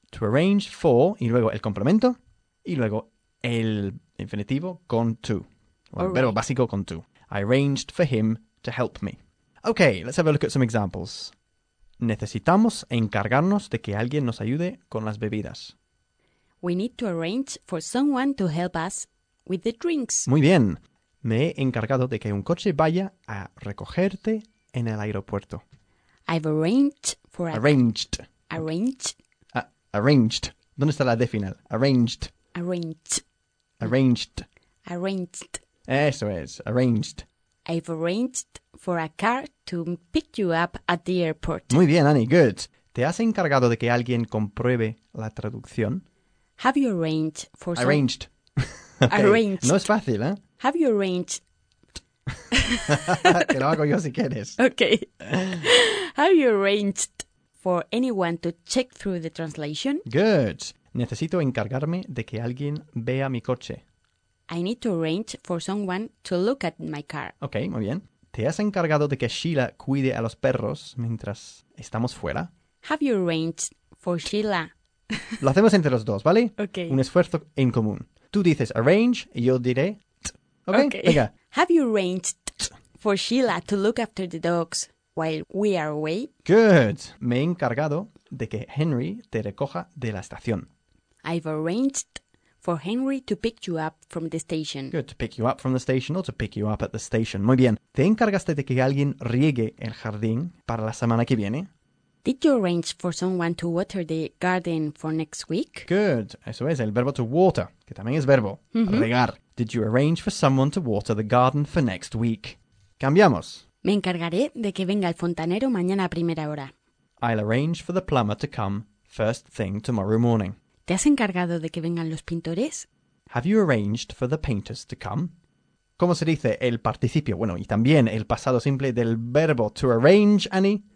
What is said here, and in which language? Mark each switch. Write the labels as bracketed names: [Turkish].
[English] To arrange for, [Spanish] y luego el complemento, y luego el infinitivo con to. [English] Well, [Spanish] verbo básico con [English] to. I arranged for him to help me. Okay, let's have a look at some examples. [Spanish] Necesitamos encargarnos de que alguien nos ayude con las bebidas. [English] We need to arrange for someone to help us with the drinks. [Spanish] Muy bien. Me he encargado de que un coche vaya a recogerte en el aeropuerto. [English] I've arranged for arranged. Arranged. Arranged. [Spanish] ¿Dónde está la D final? Arranged. Arranged. Arranged. Arranged. Eso es. [English] Arranged. I've arranged for a car to pick you up at the airport. [Spanish] Muy bien, Annie. [English] Good. [Spanish] ¿Te has encargado de que alguien compruebe la traducción? [English] Have you arranged for arranged. Okay. Arranged. [Spanish] No es fácil, ¿eh? [English] Have you arranged... [Spanish] Que lo hago yo si quieres. [English] Okay. Have you arranged for anyone to check through the translation? Good. [Spanish] Necesito encargarme de que alguien vea mi coche. [English] I need to arrange for someone to look at my car. [Spanish] Okay, muy bien. ¿Te has encargado de que Sheila cuide a los perros mientras estamos fuera? [English] Have you arranged for Sheila? [Spanish] Lo hacemos entre los dos, ¿vale? [English] Okay. [Spanish] Un esfuerzo en común. Tú dices arrange y yo diré... [English] Okay, [Spanish] venga. [English] Have you arranged for Sheila to look after the dogs while we are away? Good. [Spanish] Me he encargado de que Henry te recoja de la estación. [English] I've arranged for Henry to pick you up from the station. Good, to pick you up from the station or to pick you up at the station. [Spanish] Muy bien. ¿Te encargaste de que alguien riegue el jardín para la semana que viene? [English] Did you arrange for someone to water the garden for next week? Good. [Spanish] Eso es, el verbo to water, que también es verbo, regar. [English] Did you arrange for someone to water the garden for next week? [Spanish] Cambiamos. Me encargaré de que venga el fontanero mañana a primera hora. [English] I'll arrange for the plumber to come first thing tomorrow morning. [Spanish] ¿Te has encargado de que vengan los pintores? [English] Have you arranged for the painters to come? [Spanish] ¿Cómo se dice el participio? Bueno, y también el pasado simple del verbo to arrange, Annie.